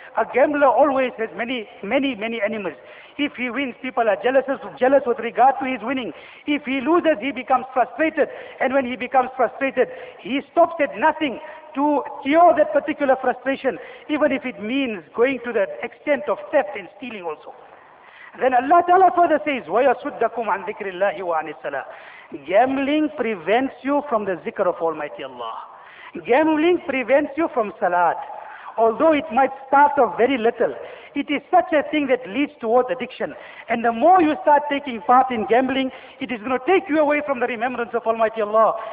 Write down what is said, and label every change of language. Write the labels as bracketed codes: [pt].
[en] A gambler always has many, many, many enemies. If he wins, people are jealous with regard to his winning. If he loses, he becomes frustrated. And when he becomes frustrated, he stops at nothing to cure that particular frustration, even if it means going to the extent of theft and stealing also. Then Allah Ta'ala further says, [ar] وَيَصُدَّكُمْ عَنْ ذِكْرِ اللَّهِ وَعَنِ السَّلَاةِ. [en] Gambling prevents you from the zikr of Almighty Allah. Gambling prevents you from salat. Although it might start off very little, it is such a thing that leads towards addiction. And the more you start taking part in gambling, it is going to take you away from the remembrance of Almighty Allah.